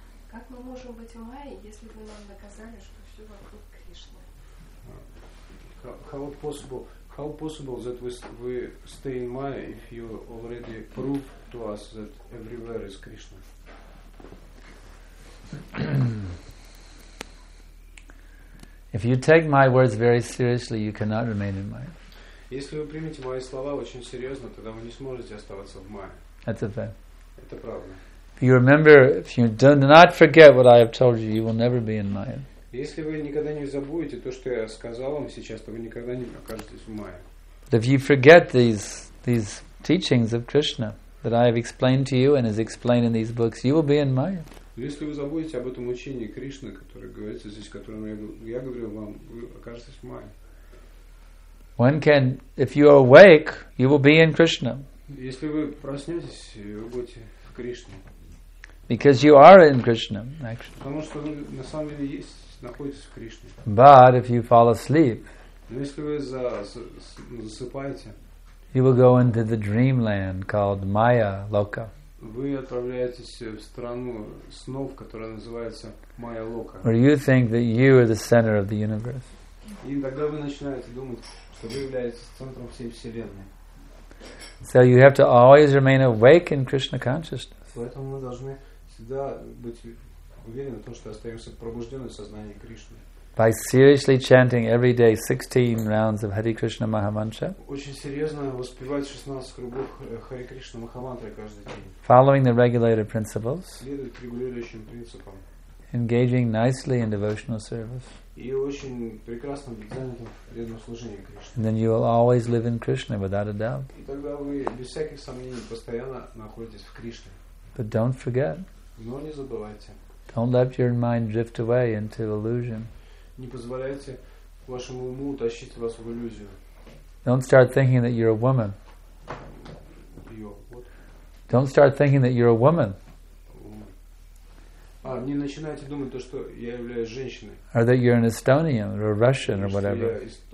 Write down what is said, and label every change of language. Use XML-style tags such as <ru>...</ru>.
<ru>Как мы можем быть в Майе, если вы нам доказали, что все вокруг Кришны?</ru> <en>How possible that we stay in Maya if you already prove to us that everywhere is Krishna? If you take my words very seriously, you cannot remain in Maya.</en> <ru>Если вы примете мои слова очень серьезно, тогда вы не сможете оставаться в мае.</ru> <en>That's a fact.</en> <ru>Это правда.</ru> <en>If you remember, if you do not forget what I have told you, you will never be in Maya.</en> <ru>Если вы никогда не забудете то, что я сказал вам сейчас, то вы никогда не окажетесь в Майе.</ru> <en>But if you forget these teachings of Krishna that I have explained to you and is explained in these books, you will be in Maya.</en> <ru>Если вы забудете об этом учении Кришны, которое говорится здесь, которому я говорил вам, вы окажетесь в Майе.</ru> <en>One can, if you are awake, you will be in Krishna.</en> <ru>Если вы проснетесь, вы будете в Кришне.</ru> <en>Because you are in Krishna, actually.</en> <ru>Потому что вы на самом деле есть.</ru> <en>But if you fall asleep, you will go into the dreamland called Maya Loka.</en> <ru>Вы отправляетесь в страну снов, которая называется Maya Loka.</ru> <en>Where you think that you are the center of the universe.</en> <ru>И тогда вы начинаете думать, что вы являетесь центром всей вселенной.</ru> <en>So you have to always remain awake in Krishna consciousness.</en> <ru>Поэтому мы должны всегда быть уверены в том, что остаемся пробужденным в сознании Кришны.</ru> <en>By seriously chanting every day 16 rounds of Hare Krishna Mahamantra.</en> <ru>Очень серьезно воспевать 16 кругов Хари Кришна Махамантры каждый день.</ru> <en>Following the regulated principles.</en> <ru>Следовать регулирующим принципам.</ru> <en>Engaging nicely in devotional service.</en> <ru>И очень прекрасно занятым преданным служением Кришне.</ru> <en>And then you will always live in Krishna without a doubt.</en> <ru>И тогда вы без всяких сомнений постоянно находитесь в Кришне.</ru> <en>But don't forget.</en> <ru>Но не забывайте.</ru> <en>Don't let your mind drift away into illusion.</en> <ru>Не позволяйте вашему уму тащить вас в иллюзию.</ru> <en>Don't start thinking that you're a woman. Don't start thinking that you're a woman.</en> <ru>А, не начинайте думать то, что я являюсь женщиной.</ru> <en>Or that you're an Estonian or a Russian or whatever.</en>